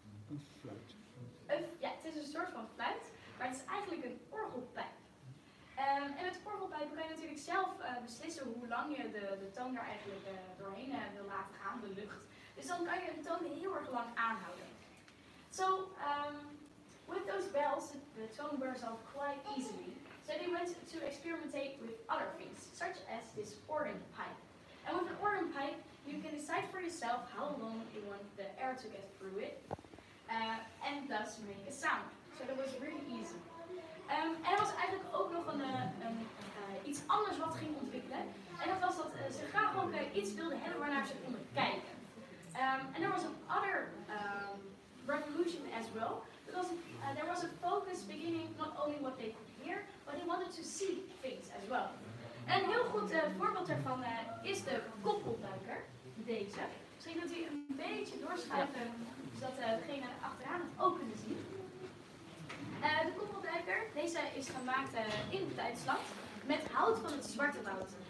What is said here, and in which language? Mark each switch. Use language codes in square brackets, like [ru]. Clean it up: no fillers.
[nl] Een fluit. Het is een soort van fluit, maar het is eigenlijk een orgelpijp. En met orgelpijpen kan je natuurlijk zelf beslissen hoe lang je de toon er eigenlijk doorheen wil laten gaan, de lucht. Dus dan kan je een toon heel erg lang aanhouden. [en] So, with those bells, the tone wears off quite easily. So they went to experimentate with other things, such as this organ pipe. And with an organ pipe, you can decide for yourself how long you want the air to get through it, and thus make a sound. So that was really easy. [nl] En er was eigenlijk ook nog iets anders wat ging ontwikkelen. En dat was dat ze graag ook iets wilden hebben waarnaar ze konden kijken. [en] And there was another revolution as well, because there was a focus beginning not only what they could hear, but they wanted to see things as well. [nl] En een heel goed voorbeeld daarvan is de koppelduiker, deze. Misschien kunt u een beetje doorschuiven, zodat degene achteraan het ook kunnen zien. De koppelduiker, deze is gemaakt in Duitsland met hout van het Zwarte Woud.